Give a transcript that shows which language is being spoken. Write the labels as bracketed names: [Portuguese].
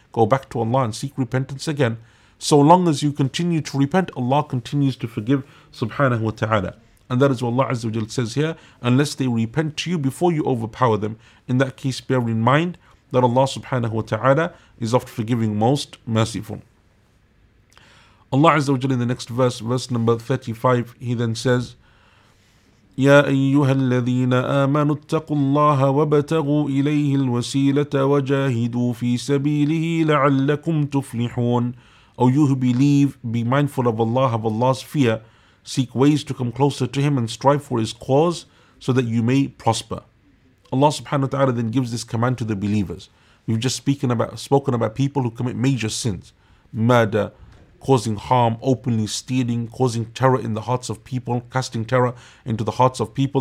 [English] go back to Allah and seek repentance again. So long as you continue to repent, Allah continues to forgive subhanahu wa ta'ala. And that is what Allah Azza wa Jalla says here, unless they repent to you before you overpower them. In that case, bear in mind that Allah subhanahu wa ta'ala is of forgiving, most merciful. Allah Azza wa Jalla in the next verse, verse number 35, he then says, [Arabic] يا أيها الذين آمنوا اتقوا الله وابتغوا إليه الوسيلة وجاهدوا في سبيله لعلكم تفلحون. [English] O you who believe, be mindful of Allah, have Allah's fear, seek ways to come closer to Him and strive for His cause so that you may prosper. Allah subhanahu wa ta'ala then gives this command to the believers. We've just spoken about people who commit major sins, murder, causing harm, openly stealing, causing terror in the hearts of people, casting terror into the hearts of people.